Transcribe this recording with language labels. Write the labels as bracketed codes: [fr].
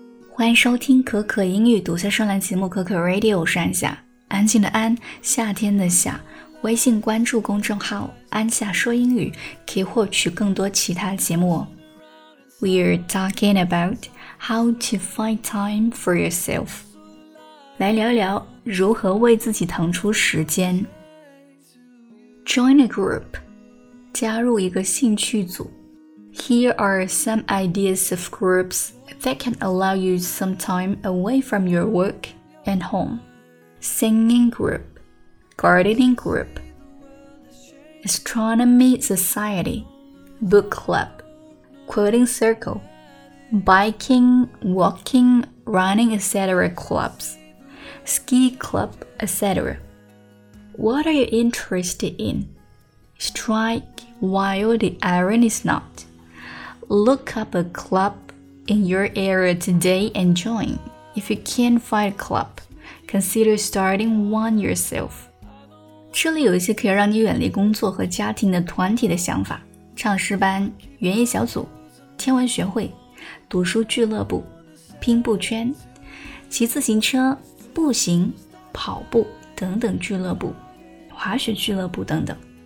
[zh] 欢迎收听可可英语独家专栏节目可可 Radio， 我是安夏，安静的安，夏天的夏。微信关注公众号安夏说英语，可以获取更多其他节目。 [en] We're talking about how to find time for yourself， [zh] 来聊聊如何为自己腾出时间。 [en] Join a group， [zh] 加入一个兴趣组。 [en] Here are some ideas of groups that can allow you some time away from your work and home. Singing group, gardening group, astronomy society, book club, quilting circle, biking, walking, running, etc. clubs, ski club, etc. What are you interested in? Strike while the iron is hot. Look up a club in your area today and join. If you can't find a club, consider starting one yourself. [zh] 这里有一些可以让你远离工作和家庭的团体的想法：唱诗班、园艺小组、天文学会、读书俱乐部、乒乓圈、骑自行车、步行、跑步等等俱乐部、滑雪俱乐部等等。